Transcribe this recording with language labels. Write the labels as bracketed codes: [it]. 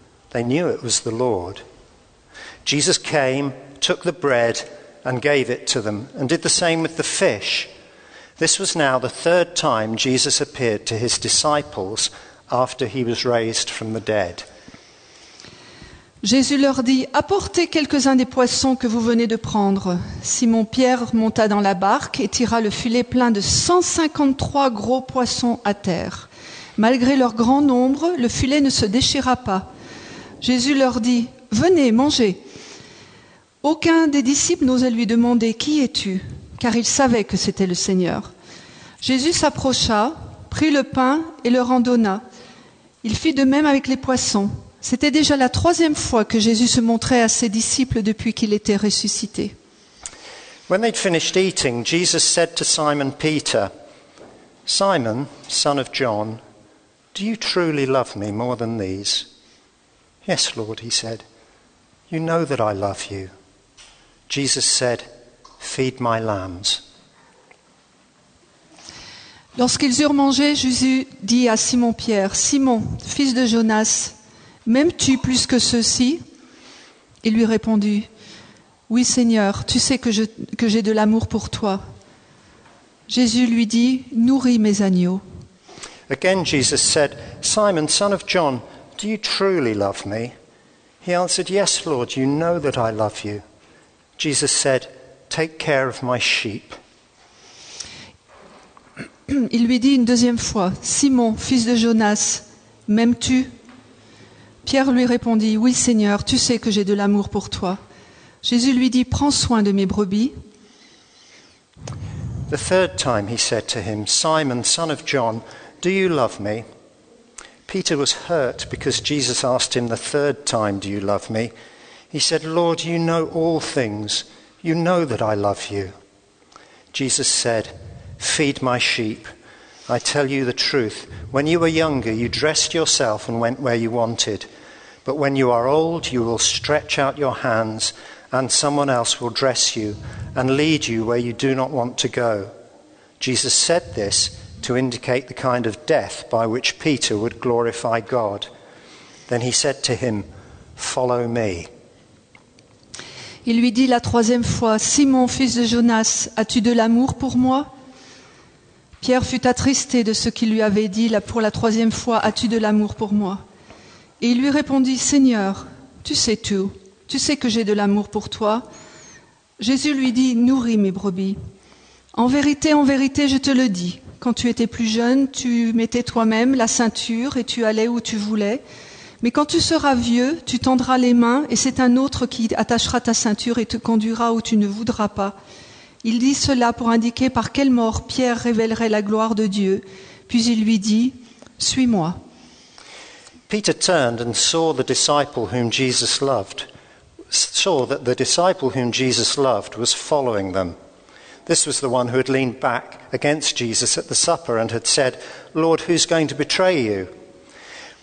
[en] They knew it was the Lord. Jesus came, took the bread, and gave it to them, and did the same with the fish. This was now the third time Jesus appeared to his disciples after he was raised from the dead. [fr] Jésus leur dit, « Apportez quelques-uns des poissons que vous venez de prendre. » Simon Pierre monta dans la barque et tira le filet plein de 153 gros poissons à terre. Malgré leur grand nombre, le filet ne se déchira pas. Jésus leur dit, « Venez, mangez. » Aucun des disciples n'osait lui demander, « Qui es-tu ?» car il savait que c'était le Seigneur. Jésus s'approcha, prit le pain et leur en donna. Il fit de même avec les poissons. C'était déjà la troisième fois que Jésus se montrait à ses disciples depuis qu'il était ressuscité. [en] When they'd finished eating, Jesus said to Simon Peter, Simon, son of John, do you truly love me more than these? Yes, Lord, he said, you know that I love you. Jesus said, feed my lambs. [fr] Lorsqu'ils eurent mangé, Jésus dit à Simon Pierre, Simon, fils de Jonas, « M'aimes-tu plus que ceux-ci ? » Il lui répondit, « Oui, Seigneur, tu sais que j'ai de l'amour pour toi. » Jésus lui dit, « Nourris mes agneaux. » [en] Again, Jesus said, « Simon, son of John, do you truly love me ?» He answered, « Yes, Lord, you know that I love you. » Jesus said, « Take care of my sheep. » [fr] Il lui dit une deuxième fois, « Simon, fils de Jonas, m'aimes-tu ?» Pierre lui répondit, « Oui, Seigneur, tu sais que j'ai de l'amour pour toi. » Jésus lui dit, « Prends soin de mes brebis. » [en] The third time he said to him, « Simon, son of John, do you love me ?» Peter was hurt because Jesus asked him the third time, « Do you love me ?» He said, « Lord, you know all things. You know that I love you. » Jesus said, « Feed my sheep. » I tell you the truth, when you were younger, you dressed yourself and went where you wanted. But when you are old, you will stretch out your hands, and someone else will dress you and lead you where you do not want to go. Jesus said this to indicate the kind of death by which Peter would glorify God. Then he said to him, follow me. [fr] Il lui dit la troisième fois, Simon, fils de Jonas, as-tu de l'amour pour moi? Pierre fut attristé de ce qu'il lui avait dit pour la troisième fois, « As-tu de l'amour pour moi ?» Et il lui répondit, « Seigneur, tu sais tout, tu sais que j'ai de l'amour pour toi. » Jésus lui dit, « Nourris mes brebis. En vérité, je te le dis, quand tu étais plus jeune, tu mettais toi-même la ceinture et tu allais où tu voulais. Mais quand tu seras vieux, tu tendras les mains et c'est un autre qui attachera ta ceinture et te conduira où tu ne voudras pas. » Il dit cela pour indiquer par quelle mort Pierre révélerait la gloire de Dieu. Puis il lui dit, « Suis-moi. » [en] Peter turned and saw the disciple whom Jesus loved, saw that the disciple whom Jesus loved was following them. This was the one who had leaned back against Jesus at the supper and had said, « Lord, who's going to betray you ?»